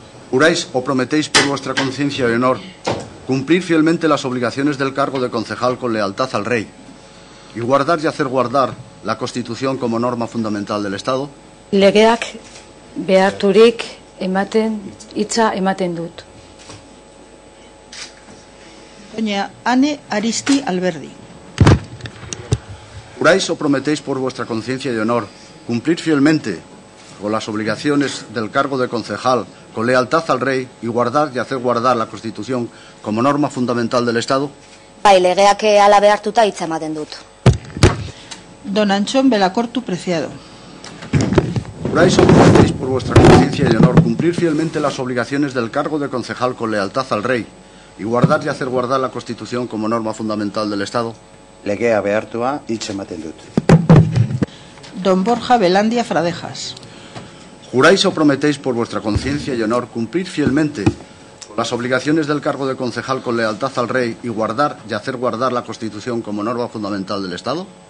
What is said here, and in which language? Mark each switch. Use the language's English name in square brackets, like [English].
[Spanish] ¿Juráis o prometéis por vuestra conciencia y honor cumplir fielmente las obligaciones del cargo de concejal con lealtad al rey y guardar y hacer guardar la Constitución como norma fundamental del Estado? [Basque] Legeak beharturik ematen hitza ematen dut. [Spanish] Doña Ane Aristi Alberdi. ¿Juráis o prometéis por vuestra conciencia y honor cumplir fielmente con las obligaciones del cargo de concejal con lealtad al rey y guardar y hacer guardar la Constitución como norma fundamental del Estado? [Basque] Bai, legeak hala behartuta hitza ematen dut. [Spanish] Don Anchón Belacortu Preciado. ¿Juráis o prometéis por vuestra conciencia y honor cumplir fielmente las obligaciones del cargo de concejal con lealtad al rey y guardar y hacer guardar la Constitución como norma fundamental del Estado? [Basque] Legea behartua hitza ematen dut. [Spanish] Don Borja Belandia Fradejas. ¿Juráis o prometéis por vuestra conciencia y honor cumplir fielmente las obligaciones del cargo de concejal con lealtad al rey y guardar y hacer guardar la Constitución como norma fundamental del Estado?